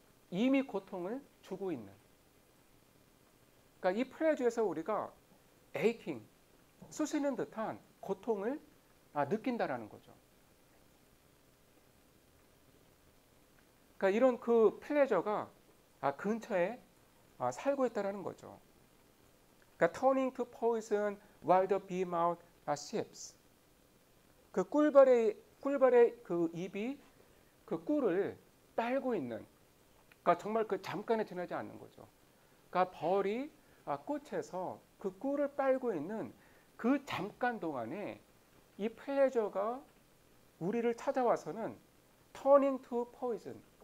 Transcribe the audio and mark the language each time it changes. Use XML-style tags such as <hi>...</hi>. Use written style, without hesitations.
<ko>이미 고통을 주고 있는. 그러니까 이 플레저에서 우리가 에이킹, 쑤시는 듯한 고통을 느낀다라는 거죠. 그러니까 이런 플레저가 근처에 살고 있다는 거죠.</ko> <en>그러니까 turning to poison while the bee mouth sips.</en> <ko>그 꿀벌의 입이 그 꿀을 빨고 있는. 그러니까 정말 그 잠깐에 지나지 않는 거죠. 그러니까 벌이 꽃에서 그 꿀을 빨고 있는 그 잠깐 동안에 이 플레저가 우리를 찾아와서는</ko> <en>turning to poison.</en>